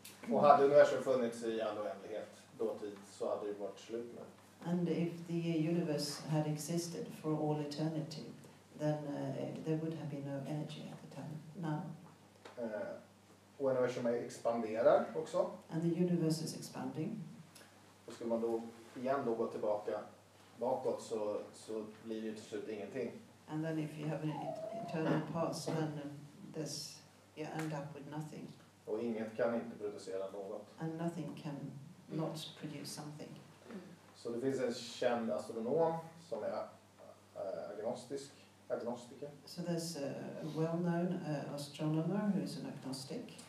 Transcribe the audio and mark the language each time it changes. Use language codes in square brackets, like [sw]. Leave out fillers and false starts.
[sv] Och hade universum funnits i all oändlighet dåtid så hade det varit slut med. [en] And if the universe had existed for all eternity, then there would have been no energy at the time. Now. [sv] Och universum expanderar också. [en] And the universe is expanding. [sv] Och ska man då igen då gå tillbaka bakåt så blir det till slut ingenting. [en] And then if you have an eternal past, then this you end up with nothing. [sv] Och inget kan inte producera något. [en] And nothing can not produce something. [sv] Så det finns en känd astronom som är agnostisk. [en] So there's a well-known astronomer who is an agnostic.